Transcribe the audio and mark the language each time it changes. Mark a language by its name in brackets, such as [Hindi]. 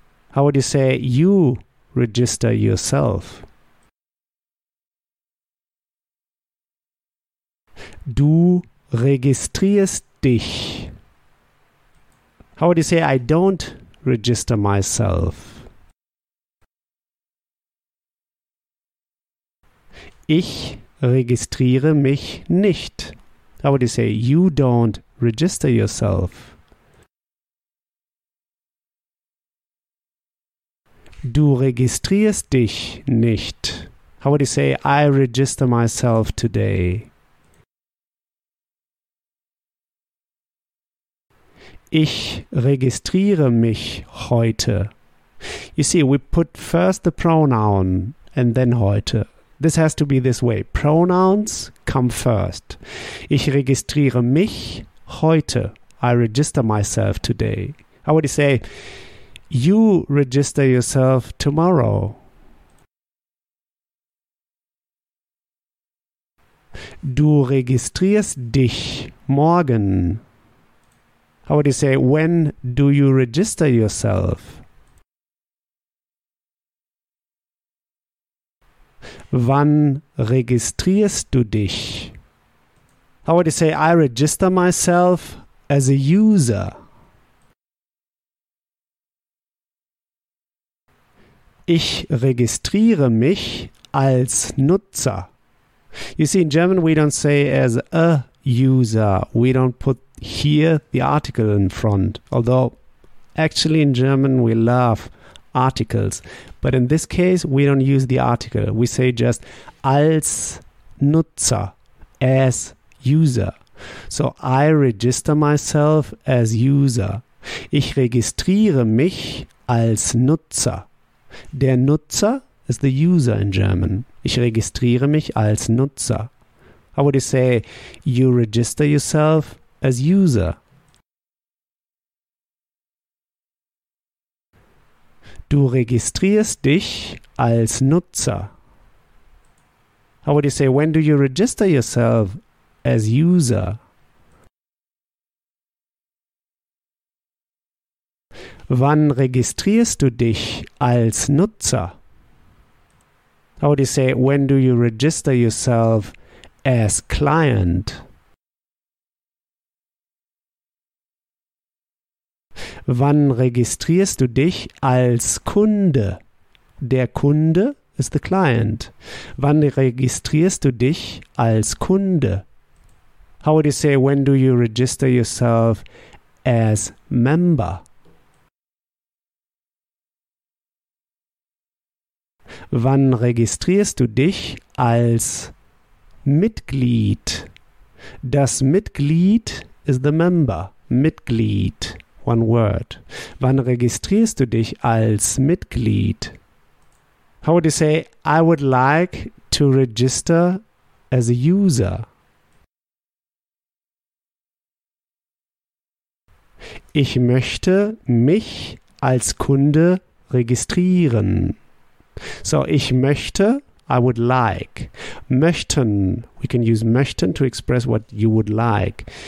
[English] How would you say you register yourself? [German] Du registrierst dich. [English] How would you say I don't register myself? [German] Ich registriere mich nicht. [English] How would you say you don't register yourself? [German] Du registrierst dich nicht. [English] How would you say I register myself today? [German] Ich registriere mich heute. [English] You see, we put first the pronoun and then heute. This has to be this way. Pronouns come first. [German] Ich registriere mich heute. [English] I register myself today. How would you say, you register yourself tomorrow? [German] Du registrierst dich morgen. [English] How would you say, when do you register yourself? [German] Wann registrierst du dich? [English] How would you say, I register myself as a user? [German] Ich registriere mich als Nutzer. [English] You see, in German we don't say as a user. We don't put here the article in front. Although, actually in German we love articles. But in this case we don't use the article. We say just [German] als Nutzer, [English] as user. So, I register myself as user. [German] Ich registriere mich als Nutzer. Der Nutzer [English] is the user in German. [German] Ich registriere mich als Nutzer. [English] How would you say, you register yourself as user? [German] Du registrierst dich als Nutzer. [English] How would you say, when do you register yourself as user? [German] Wann registrierst du dich als Nutzer? [English] How would you say, when do you register yourself as client? [German] Wann registrierst du dich als Kunde? Der Kunde ist [English] the client. [German] Wann registrierst du dich als Kunde? [English] How would you say, when do you register yourself as member? [German] Wann registrierst du dich als Mitglied? Das Mitglied [English] is the member. Mitglied, one word. [German] Wann registrierst du dich als Mitglied? [English] How would you say, I would like to register as a user? [German] Ich möchte mich als Kunde registrieren. [English] So, [German] ich möchte, [English] I would like. Möchten, we can use möchten to express what you would like.